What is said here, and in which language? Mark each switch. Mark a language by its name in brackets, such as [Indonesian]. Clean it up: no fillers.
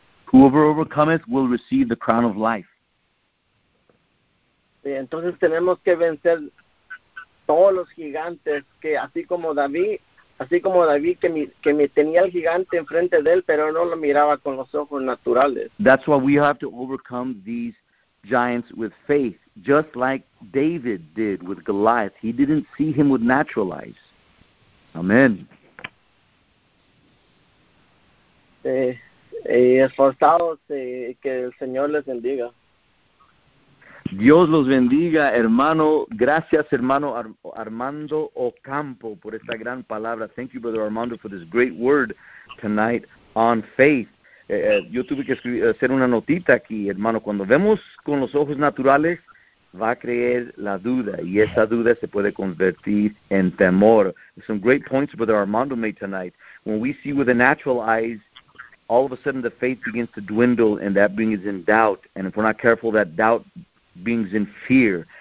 [English] Whoever overcometh will receive the crown of life. [Spanish] Sí, entonces tenemos que vencer todos los gigantes, que así como David que tenía el gigante enfrente de él, pero no lo miraba con los ojos naturales. [English] That's why we have to overcome these giants with faith, just like David did with Goliath. He didn't see him with natural eyes. Amen. [Spanish] Esforzados y que el Señor les bendiga. Dios los bendiga, hermano. Gracias, hermano Armando Ocampo, por esta gran palabra. [English] Thank you, brother Armando, for this great word tonight on faith. [Spanish] Yo tuve que hacer una notita aquí, hermano. Cuando vemos con los ojos naturales, va a creer la duda, y esa duda se puede convertir en temor. [English] Some great points, brother Armando, made tonight. When we see with the natural eyes, all of a sudden the faith begins to dwindle, and that brings in doubt. And if we're not careful, that doubt brings in fear.